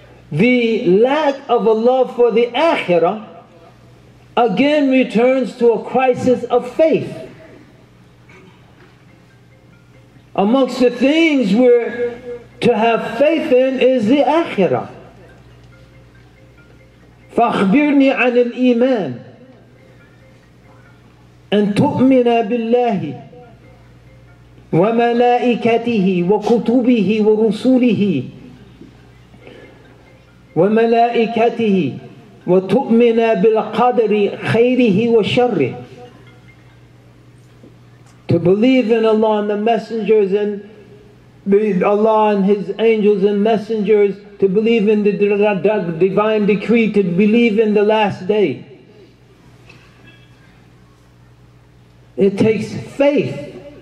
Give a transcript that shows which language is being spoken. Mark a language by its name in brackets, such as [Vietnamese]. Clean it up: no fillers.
[English] The lack of a love for the Akhirah again returns to a crisis of faith. Amongst the things we're to have faith in is the Akhirah. [Arabic] فَأَخْبِرْنِي عَنِ الْإِيمَانِ أن تؤمن بالله وملائكته وكتبه ورسوله وملائكته وتؤمن بالقدر خيره وشره. [English] To believe in Allah and the messengers and Allah and His angels and messengers, to believe in the divine decree, to believe in the last day. It takes faith.